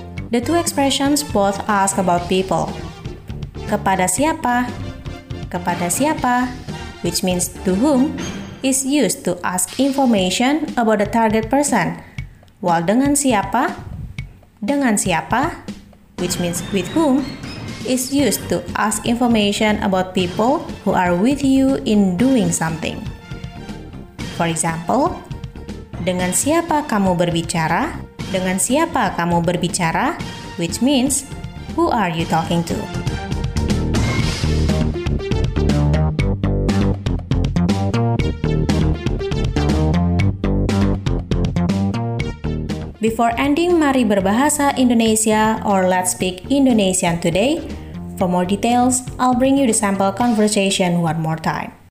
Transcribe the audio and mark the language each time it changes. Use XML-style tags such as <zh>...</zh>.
<en>The two expressions both ask about people. Kepada siapa, which means to whom, is used to ask information about the target person, while dengan siapa, which means with whom, is used to ask information about people who are with you in doing something. For example,</en> <id>dengan siapa kamu berbicara? Dengan siapa kamu berbicara?</id> <en>Which means, who are you talking to? Before ending Mari Berbahasa Indonesia or Let's Speak Indonesian today, for more details, I'll bring you the sample conversation one more time.</en>